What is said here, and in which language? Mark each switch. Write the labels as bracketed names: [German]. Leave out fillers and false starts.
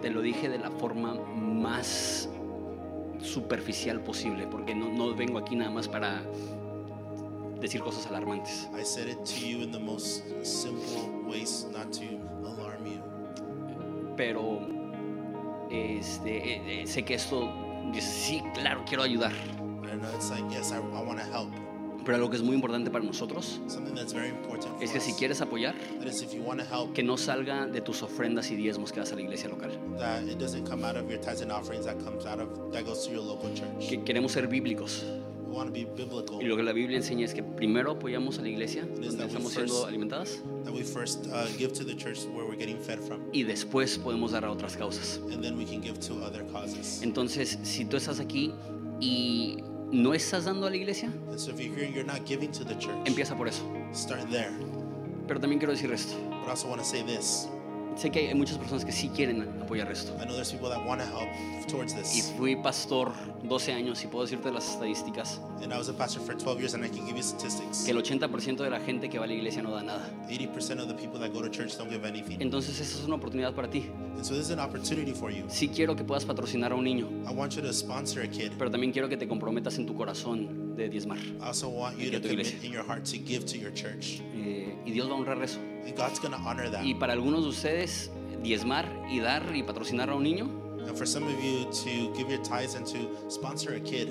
[Spanish] Te lo dije de la forma más superficial posible, porque no vengo aquí nada más para decir cosas alarmantes. [English] I said it to you in the most simple ways not to alarm you. [Spanish] Pero sé que esto sí, claro, quiero ayudar. [English] And it's like, yes, I want to help. [Spanish] Pero algo que es muy importante para nosotros, [English] something that's very important [Spanish] es que [English] us, [Spanish] si quieres apoyar, [English] that is if you want to help, [Spanish] que no salga de tus ofrendas y diezmos que das a la iglesia local. [English] That it doesn't come out of your tithes and offerings that goes to your local church. [Spanish] Que queremos ser bíblicos. [English] We want to be biblical. [Spanish] Y lo que la Biblia enseña es que primero apoyamos a la iglesia donde estamos siendo alimentadas. [English] That we first give to the church where we're getting fed from. [Spanish] Y después podemos dar a otras causas. [English] And then we can give to other causes. [Spanish] Entonces, si tú estás aquí y no estás dando a la iglesia, [English] and so if you're here, you're not giving to the church, [Spanish] empieza por eso. [English] Start there. [Spanish] Pero también quiero decir esto. [English] But I also want to say this. [Spanish] Sé que hay muchas personas que sí quieren apoyar esto. [English] I know there's people that want to help towards this. [Spanish] Y fui pastor 12 años y puedo decirte las estadísticas. [English] And I was a pastor for 12 years and I can give you statistics. [Spanish] Que el 80% de la gente que va a la iglesia no da nada. [English] 80% of the people that go to church don't give anything. [Spanish] Entonces esa es una oportunidad para ti. [English] And so this is an opportunity for you. [Spanish] Sí quiero que puedas patrocinar a un niño. [English] I want you to sponsor a kid. [Spanish] Pero también quiero que te comprometas en tu corazón de diezmar. [English] I also want you to commit in your heart to give to your church. [Spanish] Y Dios va a honrar eso. [English] And God's going to honor that. [Spanish] Y para algunos de ustedes, diezmar y dar y patrocinar a un niño, [English] and for some of you to give your tithes and to sponsor a kid,